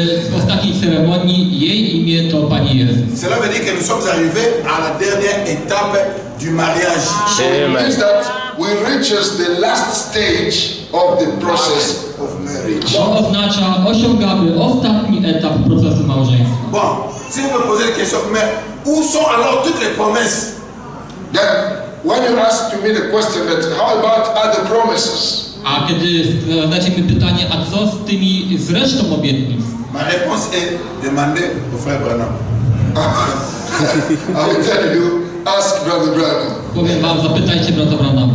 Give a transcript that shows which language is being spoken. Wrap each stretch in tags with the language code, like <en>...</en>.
<pl>W ostatniej ceremonii jej imię to Pani Jezus.</pl> <fr>Cela veut dire que nous sommes arrivés à la dernière étape du mariage. Amen.</fr> <en>Is that we reaches the last stage of the process of marriage.</en> <pl>To oznacza, osiągamy ostatni etap procesu małżeństwa.</pl> <fr>Bon, si vous me posez la question, mais où sont alors toutes les promesses?</fr> <en>Then, when you ask to me the question, but how about other promises?</en> <pl>A kiedy zadacie mi pytanie, a co z tymi z resztą obietnic?</pl> <fr>Ma réponse est demandé au frère Branham.</fr> <en>I will tell you, ask brother Branham.</en> <pl>Powiem wam, zapytajcie brata Branham.</pl>